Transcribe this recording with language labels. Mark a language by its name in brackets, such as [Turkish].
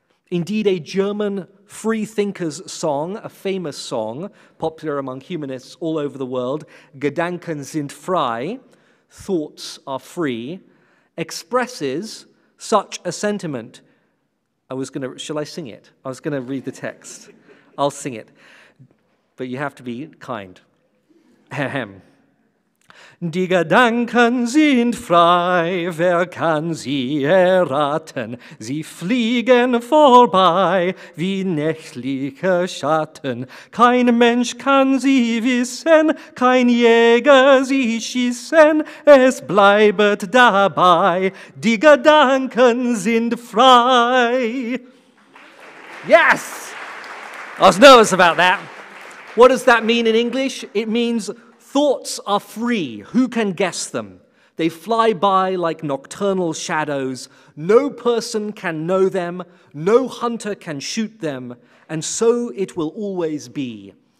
[English] Indeed, a German free thinker's song, a famous song popular among humanists all over the world, "Gedanken sind frei," thoughts are free, expresses such a sentiment. I was going to read the text. I'll sing it, but you have to be kind. Ahem. [German] Die Gedanken sind frei, wer kann sie erraten? Sie fliegen vorbei wie nächtliche Schatten. Kein Mensch kann sie wissen, kein Jäger sie schießen. Es bleibt dabei, die Gedanken sind frei. [English] Yes! I was nervous about that. What does that mean in English? It means thoughts are free. Who can guess them? They fly by like nocturnal shadows. No person can know them. No hunter can shoot them. And so it will always be.